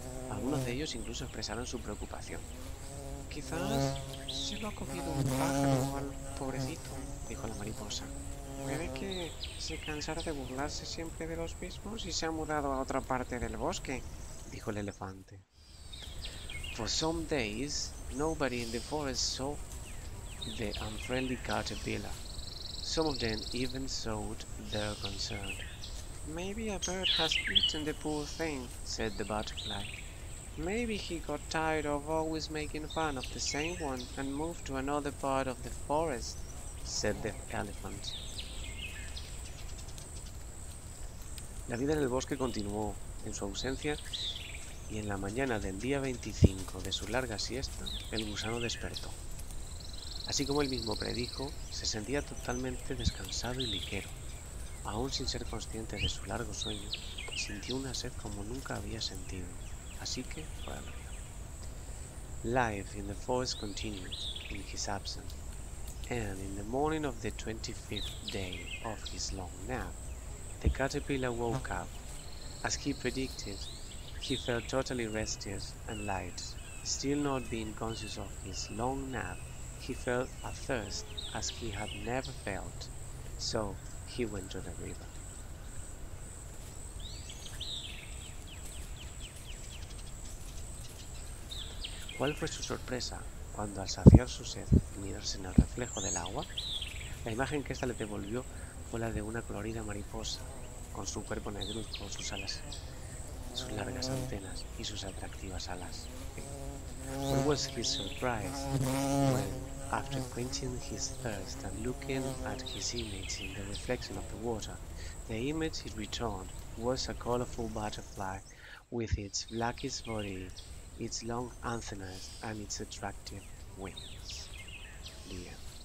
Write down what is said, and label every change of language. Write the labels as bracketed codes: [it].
[es] Algunos de ellos incluso expresaron su preocupación. Quizás se lo ha cogido un pájaro al pobrecito, dijo la mariposa. Puede que se cansara de burlarse siempre de los mismos y se ha mudado a otra parte del bosque, dijo el elefante. [en] For some days, nobody in the forest saw the unfriendly caterpillar. Some of them even showed their concern. Maybe a bird has eaten the poor thing, said the butterfly. Maybe he got tired of always making fun of the same one and moved to another part of the forest, said the elephant. [es] La vida en el bosque continuó en su ausencia, y en la mañana del día 25 de su larga siesta, el gusano despertó. Así como él mismo predijo, se sentía totalmente descansado y ligero. Aún sin ser consciente de su largo sueño, sintió una sed como nunca había sentido. Así que fue al río. [en] Life in the forest continued in his absence, and in the morning of the 25th day of his long nap, the caterpillar woke up. As he predicted, he felt totally rested and light. Still not being conscious of his long nap, he felt a thirst as he had never felt, so he went to the river. [es] ¿Cuál fue su sorpresa cuando, al saciar su sed y mirarse en el reflejo del agua, la imagen que ésta le devolvió fue la de una colorida mariposa, con su cuerpo negruzco, sus alas, sus largas antenas y sus atractivas alas? [en] What was his surprise when, after quenching his thirst and looking at his image in the reflection of the water, the image he returned was a colorful butterfly with its blackish body, its long antennas, and its attractive wings. The end.